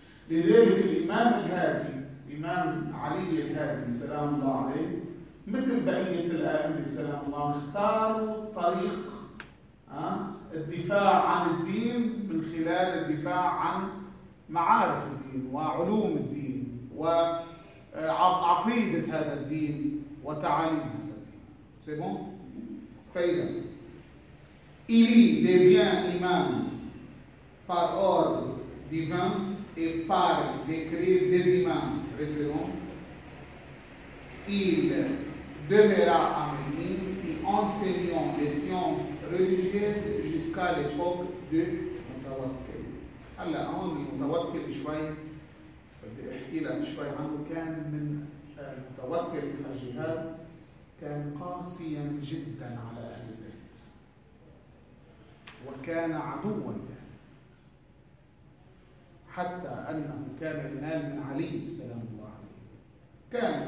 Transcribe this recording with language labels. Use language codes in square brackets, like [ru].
[ar] لذلك الإمام الهادي، إمام علي الهادي سلام الله عليه، مثل بقية الأئمة سلام الله عليه، اختاروا طريق الدفاع عن الدين من خلال الدفاع عن معارف الدين وعلوم الدين وعقيدة هذا الدين وتعاليم هذا الدين. [fr] سي بون؟ فإذا Il devient imam par ordre divin et par décret des imams précédents, il demeura à Médine et enseignant les sciences religieuses jusqu'à l'époque de Mutawakkil. Alors, on dit Mutawakkil, je vais [ar] احكيلا شوي عنه. كان من متوكل من الجهاد، كان قاسيا جدا على أهل البيت وكان عدوا لهم، حتى أنه كان ينال من علي سلام الله عليه.